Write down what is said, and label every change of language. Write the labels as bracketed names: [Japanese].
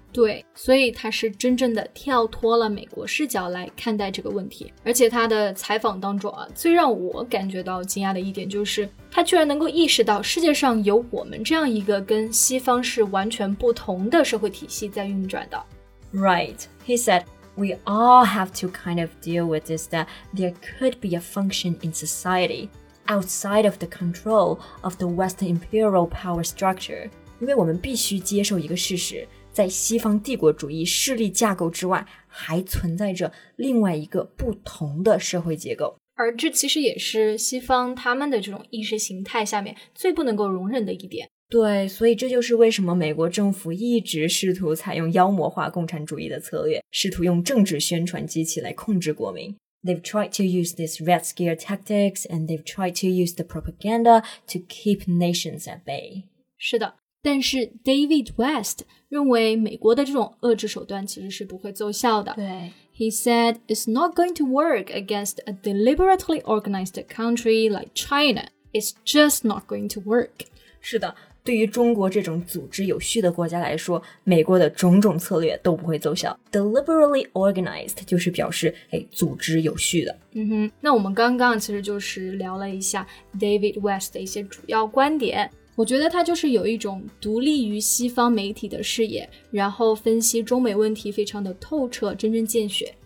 [Chinese] 对，所以他是真正的跳脱了美国视角来看待这个问题。而且他的采访当中啊，最让我感觉到惊讶的一点就是他居然能够意识到世界上有我们这样一个跟西方是完全不同的社会体系在运转的。 [English] Right, he said we all have to kind of deal with this, that there could be a function in society outside of the control of the Western imperial power structure. [Chinese] 因为我们必须接受一个事实，在西方帝国主义势力架构之外还存在着另外一个不同的社会结构，而这其实也是西方他们的这种意识形态下面最不能够容忍的一点。对，所以这就是为什么美国政府一直试图采用妖魔化共产主义的策略，试图用政治宣传机器来控制国民。 [English] They've tried to use this Red Scare tactics and they've tried to use the propaganda to keep nations at bay. [Chinese] 是的，但是 David West 认为美国的这种遏制手段其实是不会奏效的。对， [English] He said it's not going to work against a deliberately organized country like China. It's just not going to work. [Chinese] 是的，对于中国这种组织有序的国家来说，美国的种种策略都不会奏效。 Deliberately organized 就是表示哎，组织有序的。嗯哼，那我们刚刚其实就是聊了一下 David West 的一些主要观点，我觉得他就是有一种独立于西方媒体的视野，然后分析中美问题非常的透彻，针针见血。